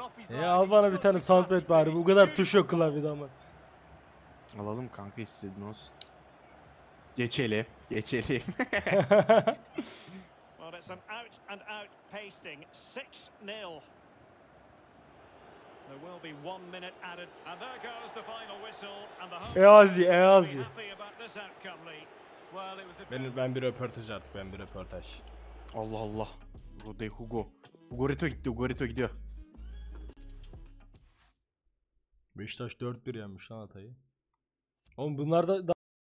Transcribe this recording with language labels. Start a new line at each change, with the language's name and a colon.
Turkish: Ya al bana bir tane soundpad bari. Bu kadar tuş yok klavyede ama. Alalım kanka istedin olsun. Geçelim, geçelim.
English: Well, it's an out and out pasting. 6-0. There will be 1 minute added. And there goes the final whistle. And the home fans will be happy about this outcome, Lee. Well, it was a...
Turkish: Ben bir röportaj attım, ben bir röportaj. Allah Allah. Burada Hugo. Hugorito gitti, Hugorito gidiyor. Beşiktaş 4-1 yenmiş lan Hatay'ı. Oğlum bunlar da...